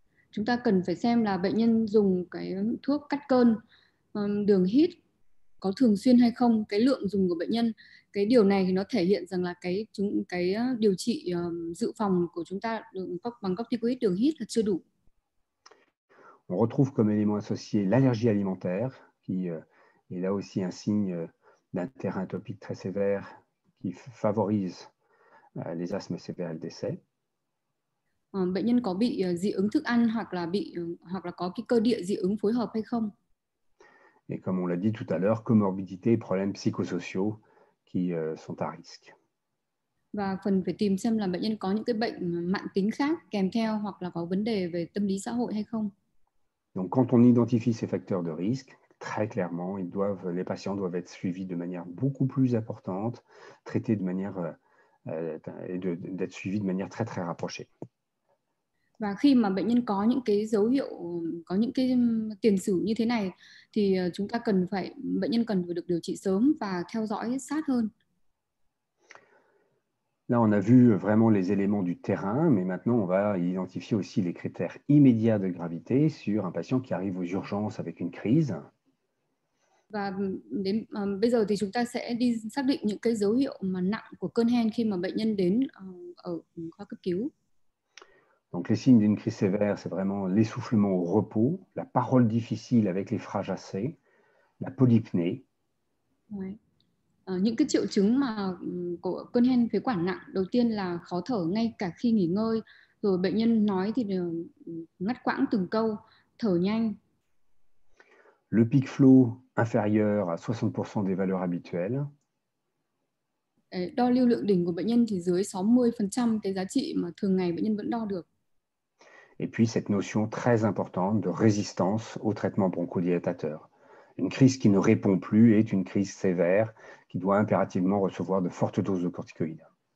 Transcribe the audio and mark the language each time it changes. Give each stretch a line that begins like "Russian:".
Vietnamese: Chúng ta cần phải xem là bệnh nhân dùng cái thuốc cắt cơn đường hít có thường xuyên hay không, cái lượng dùng của bệnh nhân. Cái điều này thì nó thể hiện rằng là cái điều trị dự phòng của chúng ta bằng corticoïdes đường hít là chưa đủ.
French: On retrouve comme élément associé l'allergie alimentaire, qui est là aussi un signe d'un terrain atopique très sévère qui favorise les asthmes sévères et le décès.
Vietnamese: Bệnh nhân có bị dị ứng thức ăn hoặc là có cái cơ địa dị ứng phối hợp hay không?
French: Et comme on l'a dit tout à l'heure, comorbidité et problèmes psychosociaux qui sont à risque.
Vietnamese: Và cần phải tìm xem là bệnh nhân có những cái bệnh mạn tính khác kèm theo hoặc là có vấn đề về tâm lý xã hội hay không.
French: Donc, quand on identifie ces facteurs de risque, très clairement, les patients doivent être suivis de manière beaucoup plus importante, traités de manière et d'être suivis de manière très très rapprochée.
Vietnamese: Và khi mà bệnh nhân có những cái dấu hiệu, có những cái tiền sử như thế này thì chúng ta cần phải, bệnh nhân cần phải được điều trị sớm và theo dõi sát hơn.
French: Là, on a vu vraiment les éléments du terrain, mais maintenant on va identifier aussi les critères immédiats de gravité sur un patient qui arrive aux urgences avec une crise.
Vietnamese: Và đến bây giờ thì chúng ta sẽ đi xác định những cái dấu hiệu mà nặng của cơn hen khi mà bệnh nhân đến ở khoa cấp cứu.
French: Donc les signes d'une crise sévère, c'est vraiment l'essoufflement au repos, la parole difficile avec les phrases cassées, la polypnée. Ouais.
Vietnamese: Những cái triệu chứng mà của cơn hen phế quản nặng đầu tiên là khó thở ngay cả khi nghỉ ngơi, rồi bệnh nhân nói thì đều ngắt quãng từng câu, thở nhanh.
French: Le peak flow inférieur à 60% des valeurs habituelles.
Vietnamese: Đo lưu lượng đỉnh của bệnh nhân thì dưới 60% cái giá trị mà thường ngày bệnh nhân vẫn đo được.
French: Et puis cette notion très importante de résistance au traitement bronchodilatateur. Une crise qui ne répond plus est une crise sévère qui doit impérativement recevoir de fortes doses de corticoïdes.